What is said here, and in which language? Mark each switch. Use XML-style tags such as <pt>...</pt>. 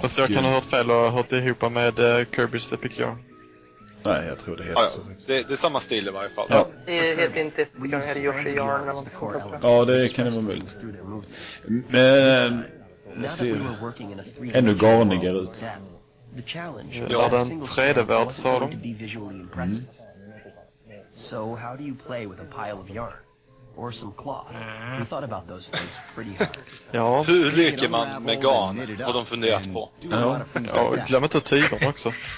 <sv>Fast jag kan ha hört fel och hört ihop med Kirby's Epic Yarn. Nej, jag tror det heter så. Det är samma stil i varje fall. Ja. Det heter inte Yoshi Yarn eller något sånt. Ja, det kan det vara möjligt. Men ser ännu garnigare ut. Ja, den tredje värld, sa de.</sv> <en>So how do you play with a pile of yarn? Or some cloth. We thought about those things pretty hard.</en> <sv>Ja, hur leker man med garn och de funderat på? Ja, glöm inte tygarna också.</sv>